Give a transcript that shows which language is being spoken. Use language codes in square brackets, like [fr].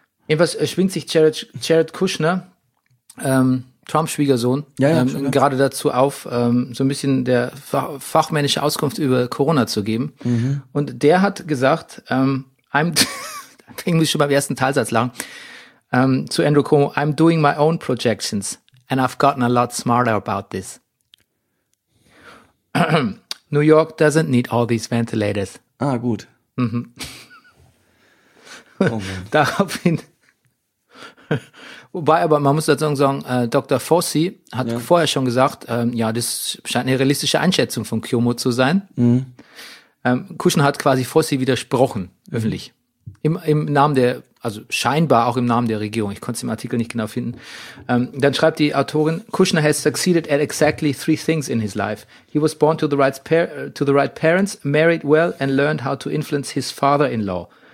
[de] Jedenfalls schwingt sich Jared Kushner, Trumps Schwiegersohn, gerade dazu auf, so ein bisschen der fachmännische Auskunft über Corona zu geben. Mhm. Und der hat gesagt, da muss ich schon beim ersten Teilsatz lachen, zu [en] Andrew Cuomo, I'm doing my own projections and I've gotten a lot smarter about this. New York doesn't need all these ventilators. [de] Ah, gut. Mhm. Oh, daraufhin, wobei aber man muss dazu sagen, Dr. Fossey hat ja vorher schon gesagt, ja, das scheint eine realistische Einschätzung von Cuomo zu sein. Mhm. Kushner hat quasi Fossey widersprochen, öffentlich. Im Namen der, also scheinbar auch im Namen der Regierung, ich konnte es im Artikel nicht genau finden. Dann schreibt die Autorin, [en] Kushner has succeeded at exactly three things in his life. He was born to the right parents, married well and learned how to influence his father-in-law.